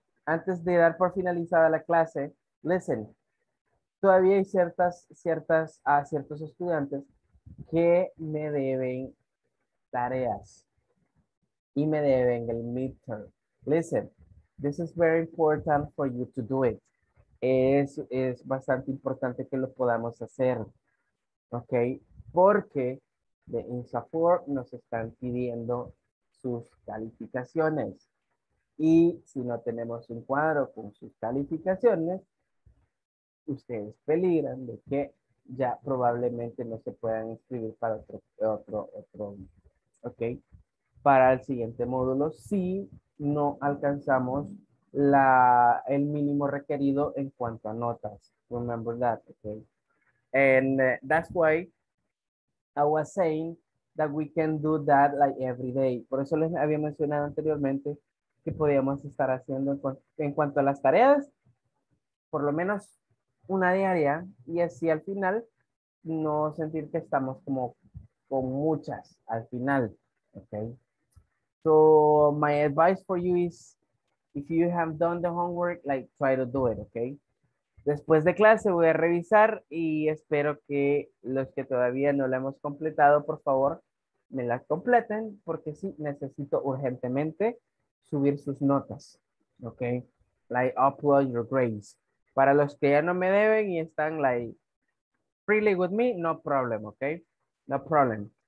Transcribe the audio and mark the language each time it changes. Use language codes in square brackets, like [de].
[es] Antes de dar por finalizada la clase, [en] listen. [es] Todavía hay ciertos estudiantes que me deben tareas y me deben el midterm. [en] Listen, this is very important for you to do it. [es] Es bastante importante que lo podamos hacer, ¿ok? Porque de INSAFORP nos están pidiendo sus calificaciones y si no tenemos un cuadro con sus calificaciones, ustedes peligran de que ya probablemente no se puedan inscribir para otro, ok, para el siguiente módulo si no alcanzamos el mínimo requerido en cuanto a notas. [en] Remember that, ok. And that's why I was saying that we can do that like every day. [es] Por eso les había mencionado anteriormente que podíamos estar haciendo en cuanto a las tareas, por lo menos una diaria, y así al final no sentir que estamos como con muchas al final, okay? [en] So my advice for you is, if you have done the homework, like try to do it, okay? [es] Después de clase voy a revisar y espero que los que todavía no la hemos completado, por favor, me la completen, porque sí, necesito urgentemente subir sus notas, okay? [en] Like upload your grades. [es] Para los que ya no me deben y están [en] like freely with me, no problem, ok? No problem.